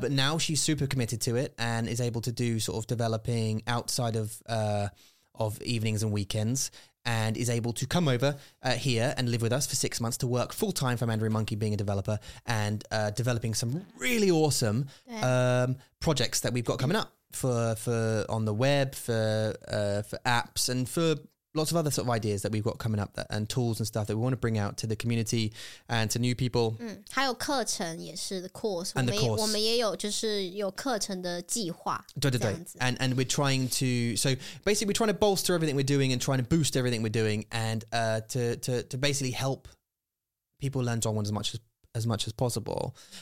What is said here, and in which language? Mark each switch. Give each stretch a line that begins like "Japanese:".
English: But now she's super committed to it and is able to do sort of developing outside of evenings and weekends, and is able to come over here and live with us for 6 months to work full time for Mandarin Monkey, being a developer and developing some really awesome projects that we've got coming up. For on the web, for apps, and for lots of other sort of ideas that we've got coming up, that, and tools and stuff that we want to bring out to the community and to new people.
Chinese: 嗯，还有课程也是
English: the course, and the course.
Chinese: 我们也有就是有课程的计划。对对对。
English: And we're trying to, so basically we're trying to bolster everything we're doing and trying to boost everything we're doing and to basically help people learn Zhongwen as much as possible.